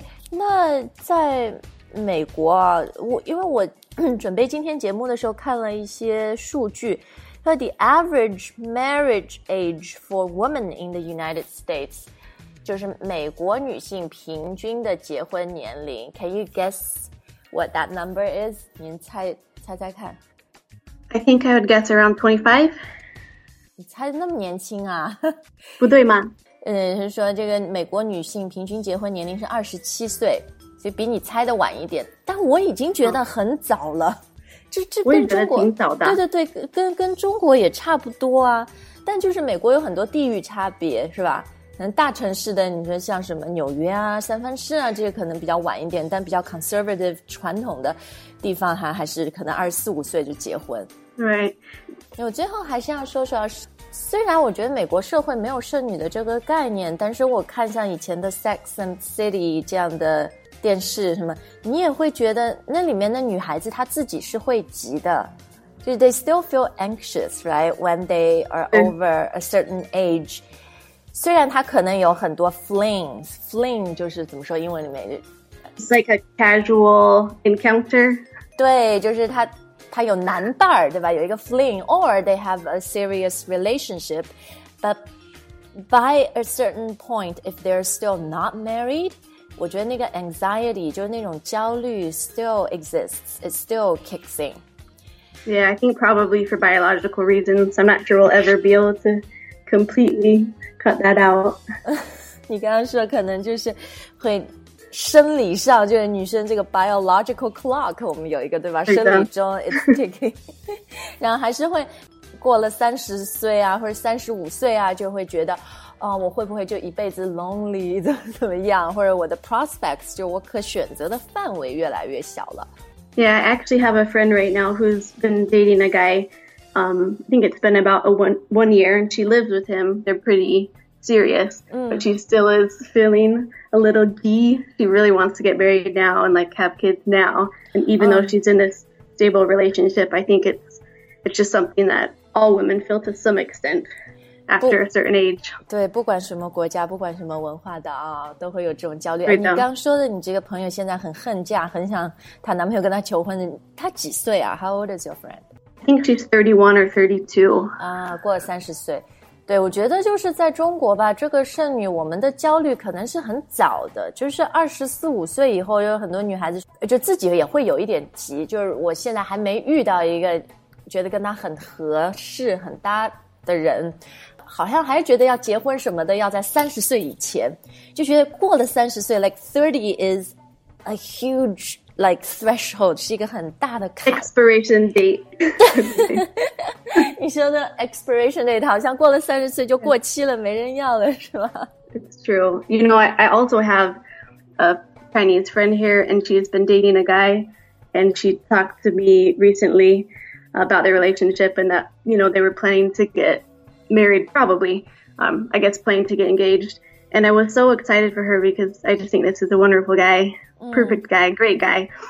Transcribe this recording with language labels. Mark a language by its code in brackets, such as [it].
[zh] 那在美国啊，因为我准备今天节目的时候看了一些数据。 [en] But the average marriage age for women in the United States, [zh] 就是美国女性平均的结婚年龄。 [en] Can you guess what that number is? [zh] 您猜看。 [en] I think I would guess around 25. [zh] 你猜那么年轻啊？不对吗？是说这个美国女性平均结婚年龄是27岁，所以比你猜的晚一点。但我已经觉得很早了。这跟中国挺早的，对对对，跟中国也差不多啊。但就是美国有很多地域差别，是吧？可能大城市的，你说像什么纽约啊、三藩市啊，这些可能比较晚一点，但比较 conservative 传统的地方还是可能24、25岁就结婚。对，我最后还是要说说，虽然我觉得美国社会没有剩女的这个概念，但是我看像以前的《Sex and City》这样的电视什么，你也会觉得那里面的女孩子她自己是会急的，就是 [en] they still feel anxious, right, when they are over a certain age. [zh] 虽然她可能有很多 fling 就是怎么说英文里面 [en] It's like a casual encounter. [zh] 对，就是她有男伴儿，对吧？有一个 [en] fling, or they have a serious relationship. But by a certain point, if they're still not married, [zh] 我觉得那个 [en] anxiety [zh] 就是那种焦虑 [en] still exists, it still kicks in. Yeah, I think probably for biological reasons, I'm not sure we'll ever be able to completely cut that out. [zh] 你刚刚说可能就是会生理上就是女生这个 biological clock 我们有一个对吧，生理中 [en] it's ticking. [zh] 然后还是会过了30岁啊或者35岁啊就会觉得我会不会就一辈子 lonely 怎么样，或者我的 prospects 就我可选择的范围越来越小了。 [en] Yeah, I actually have a friend right now who's been dating a guy, I think it's been about one year, and she lives with him. They're pretty serious, but she still is feeling a little gee. She really wants to get married now and like have kids now. And even though she's in this stable relationship, I think it's just something that all women feel to some extent. After a certain age. [zh] 对，不管什么国家，不管什么文化的啊，都会有这种焦虑。你刚说的你这个朋友现在很恨嫁，很想她男朋友跟她求婚，她几岁啊？ [en] How old is your friend? I think she's 31 or 32. [zh] 过了30岁。对，我觉得就是在中国吧，这个剩女我们的焦虑可能是很早的，就是24、25岁以后，有很多女孩子就自己也会有一点急，就是我现在还没遇到一个觉得跟她很合适很搭的人，好像还觉得要结婚什么的要在30岁以前，就觉得过了30岁 [en] like 30 is a huge like threshold, [zh] 是一个很大的坎。 [en] expiration date [zh] 你说的 expiration date 好像过了30岁就过期了，没人要了是吧？ [en] It's true. You know, I also have a Chinese friend here and she's been dating a guy and she talked to me recentlyabout their relationship and that, you know, they were planning to get married, probably, I guess planning to get engaged. And I was so excited for her because I just think this is a wonderful guy, perfect guy, great guy.